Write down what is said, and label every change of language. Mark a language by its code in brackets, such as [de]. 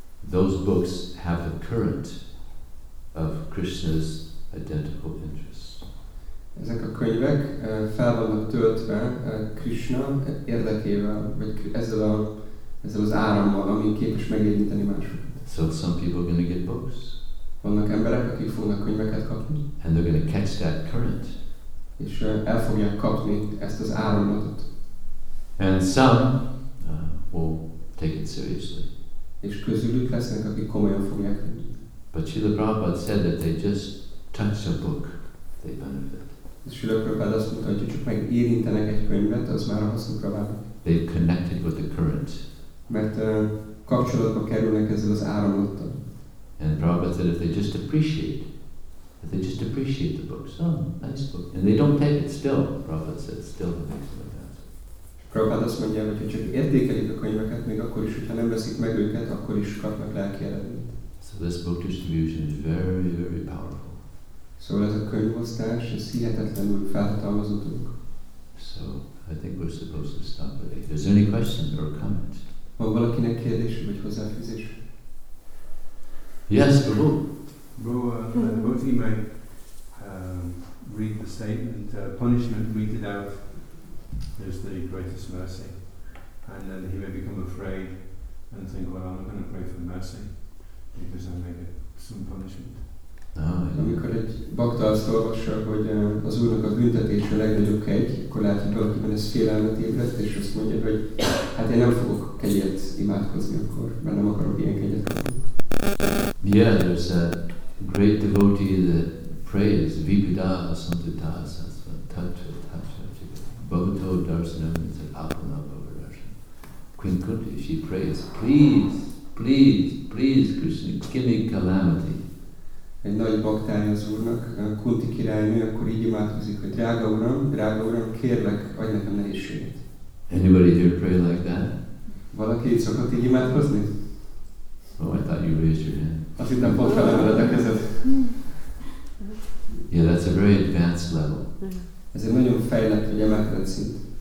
[en] Those books have a current of Krishna's identical interests. [hu] Ezek a könyvek fel vannak töltve Krishna érdekével, vagy ezzel az árammal, ami képes megérinteni másokat. [en] So some people are going to get books. [hu] Vannak emberek, akik fognak könyveket kapni. [en] And they're going to catch that current. [hu] És el fogják kapni ezt az áramlatot. [en] And some will take it seriously. [hu] És közülük lesznek, akik komolyan fogják venni. [en] But Srila Prabhupada said that they just touch a book, they benefit. [hu] Srila Prabhupada azt mondta, hogy csak megérintenek egy könyvet, az már a hasznukra válik. [en] They've connected with the current. [hu] Mert kapcsolatba kerülnek ezzel az áramlattal. [en] And Prabhupada said if they just appreciate, if they just appreciate the books, oh, nice book. And they don't take it still, Prabhupada said, still the next one. [hu] Prabhupád azt mondja, hogy ha csak értékelik a könyveket, még akkor is, hogyha nem veszik meg őket, akkor is kapnak lelki eredményt. [en] So this book distribution is very, very powerful. [hu] Szóval ez a könyvosztás, ez hihetetlenül felhatalmazó dolog. [en] So, I think we're supposed to stop it. If there's any question or comment. [hu] Van valakinek kérdése vagy hozzáfűzése? [en] Yes, Prabhu. Bhakti might read the statement, punishment meted out is the greatest mercy. And then he may become afraid and think, well, I'm not going to pray for mercy because I may get some punishment. [hu] Amikor egy bakta azt olvassa, hogy az Úrnak a büntetése a legnagyobb kegy, akkor lehet, hogy valakiben ez félelmet ébredt, és azt mondja, hogy hát én nem fogok kegyet imádkozni akkor, mert nem akarok ilyen kegyet kapni. [en] Yeah, there's a great devotee that prays, [sa] Vibhidhava Santutasa, Tatva, Tatva, Bhavato Darsanam, Apanabhava Darsanam, [en] Queen Kunti, she prays, please, please, please, Krishna, give me calamity. [hu] Egy nagy baktája az Úrnak, Kunti királynő, akkor így imádkozik, hogy drága Uram, kérlek, adj nekem nehézséget. [en] Anybody here pray like that? [hu] Valaki így szokott így imádkozni? [en] Oh, I thought you raised your hand. [hu] Azt hittem, pont felemeled a kezed. [en] Yeah, that's a very advanced level. [hu] Ez egy nagyon fejlett, hogy emelkedett szint.